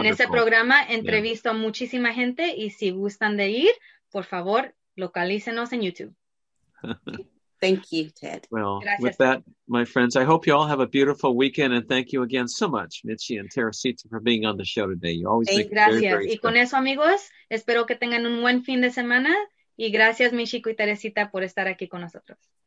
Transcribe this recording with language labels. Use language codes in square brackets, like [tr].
[es] En ese programa entrevisto a muchísima gente y si gustan de ir, por favor, localícenos en YouTube. [en] Thank you, Ted. Well, gracias. With that, my friends, I hope you all have a beautiful weekend and thank you again so much, Michi and Teresita, for being on the show today. You always make [es] gracias. [en] It very, very special. [es] Y con eso, amigos, espero que tengan un buen fin de semana y gracias, Michiko y Teresita, por estar aquí con nosotros.